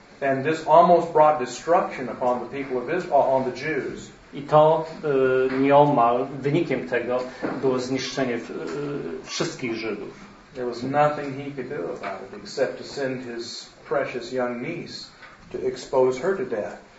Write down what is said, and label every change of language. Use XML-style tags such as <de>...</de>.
<en>And this almost brought destruction upon the people of Israel, on the Jews.</en> <pl>I to nieomal wynikiem tego było zniszczenie wszystkich Żydów.</pl> <en>There was nothing he could do about it except to send his precious young niece to expose her to death.</en>